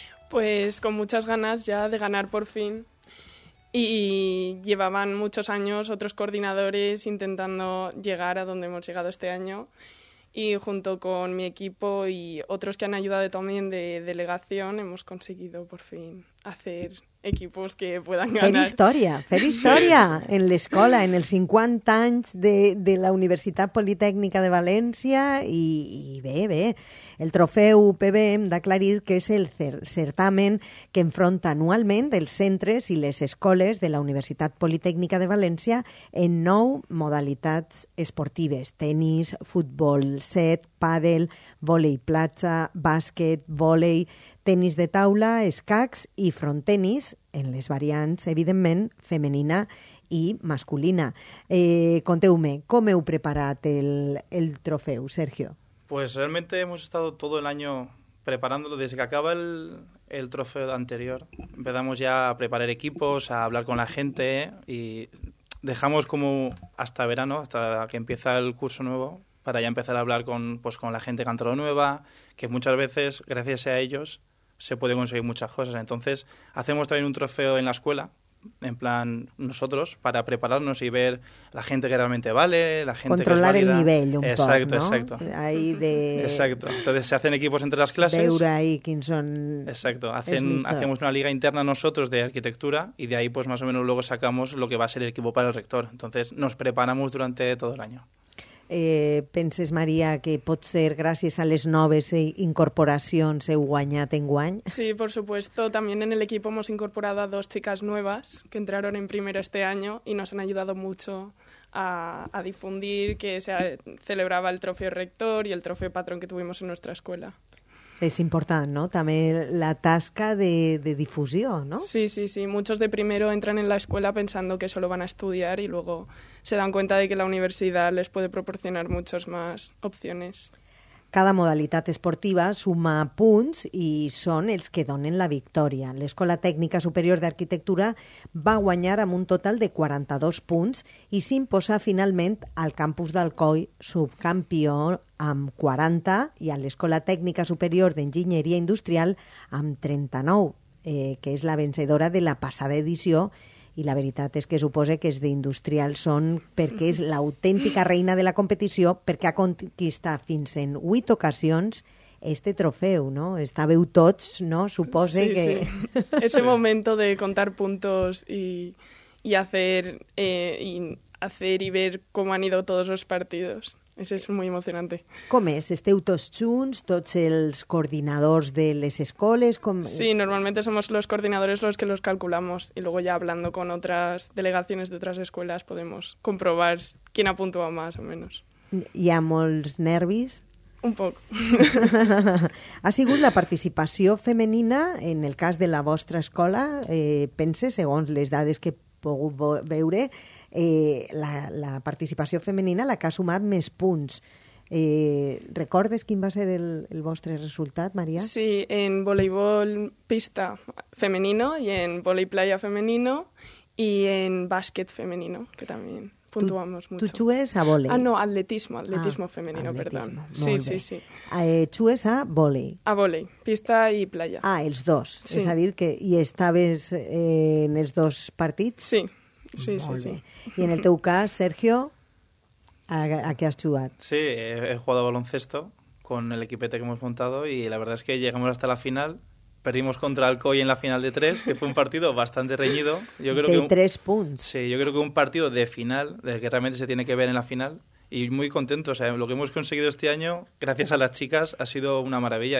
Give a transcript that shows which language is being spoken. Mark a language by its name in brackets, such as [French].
[Spanish] Pues con muchas ganas ya de ganar por fin. Y llevaban muchos años otros coordinadores intentando llegar a donde hemos llegado este año. Y junto con mi equipo y otros que han ayudado también de delegación, hemos conseguido por fin hacer equipos que puedan ganar. [Catalan] Fer història en l'escola, en els 50 anys de la Universitat Politècnica de València. I bé, bé, el trofeu UPB hem d'aclarir que és el certamen que enfronta anualment els centres i les escoles de la Universitat Politècnica de València en 9 modalitats esportives: tennis, futbol, set, pàdel, vòlei platja, bàsquet, vòlei, tennis de taula, escacs i frontenis, en les variants, evidentment, femenina i masculina. Conteu-me, com heu preparat el trofeu, Sergio? [Spanish] Pues realmente hemos estado todo el año preparándolo. Desde que acaba el trofeo anterior, empezamos ya a preparar equipos, a hablar con la gente y dejamos como hasta verano, hasta que empieza el curso nuevo, para ya empezar a hablar con la gente cantora nueva, que muchas veces, gracias a ellos, se puede conseguir muchas cosas. Entonces, hacemos también un trofeo en la escuela, en plan nosotros, para prepararnos y ver la gente que realmente vale, la gente controlar que es válida. El nivel un exacto, poco, ¿no? Exacto, ahí de... exacto. Entonces se hacen equipos entre las clases. Deura y Kingson. Exacto, hacemos una liga interna nosotros de arquitectura y de ahí pues más o menos luego sacamos lo que va a ser el equipo para el rector. Entonces nos preparamos durante todo el año. [Catalan] Penses, Maria, que pot ser gràcies a les noves incorporacions heu guanyat en guany? [Spanish] Sí, por supuesto. También en el equipo hemos incorporado a dos chicas nuevas que entraron en primero este año y nos han ayudado mucho a difundir que se celebraba el trofeo rector y el trofeo patrón que tuvimos en nuestra escuela. [Catalan] És important, no? També la tasca de difusió, no? Sí, sí, sí. [Spanish] Muchos de primero entran en la escuela pensando que solo van a estudiar y luego se dan cuenta de que la universidad les puede proporcionar muchas más opciones. [Catalan] Cada modalitat esportiva suma punts i són els que donen la victòria. L'Escola Tècnica Superior d'Arquitectura va guanyar amb un total de 42 punts i s'imposa finalment al campus d'Alcoi subcampió amb 40 i a l'Escola Tècnica Superior d'Enginyeria Industrial amb 39, que és la vencedora de la passada edició. I la veritat és que suposa que els d'industrial són perquè és l'autèntica reina de la competició, perquè ha conquistat fins en 8 ocasions este trofeu, no? Estàveu tots, no? Suposa sí, que... Sí. [Spanish] Ese momento de contar puntos y hacer y ver cómo han ido todos los partidos. Eso es muy emocionante. [Catalan] ¿Com és? Esteu tots junts, tots els coordinadors de les escoles? Com... [Spanish] Sí, normalmente somos los coordinadores los que los calculamos y luego ya hablando con otras delegaciones de otras escuelas podemos comprobar quién ha puntuado más o menos. [Catalan] ¿Hi ha molts nervis? [Spanish] Un poco. [Catalan] Ha sigut la participació femenina en el cas de la vostra escola, pense, segons les dades que he pogut veure, la participació femenina la que ha sumat més punts. ¿Recordes quin va ser el vostre resultat, Maria? [Spanish] Sí, en voleibol pista femenino y en volei playa femenino y en bàsquet femenino, que también puntuamos mucho. [Catalan] ¿Tú jugues a volei? [Spanish] Ah, no, atletismo femenino, perdón. Sí, sí, sí. [Catalan] ¿Jugues a volei? [Spanish] A volei, pista y playa. [Catalan] Ah, els dos. Sí. És a dir, que hi estaves en els dos partits? Sí. Sí, sí, sí. I en el teu cas, Sergio, a què has jugat? [Spanish] Sí, he jugado a baloncesto con el equipete que hemos montado y la verdad es que llegamos hasta la final. Perdimos contra Alcoy en la final de 3, que fue un partido bastante reñido. Yo creo que 3 punts. Sí, yo creo que un partido de final, de que realmente se tiene que ver en la final. Y muy contento, o sea, lo que hemos conseguido este año, gracias a las chicas, ha sido una maravilla.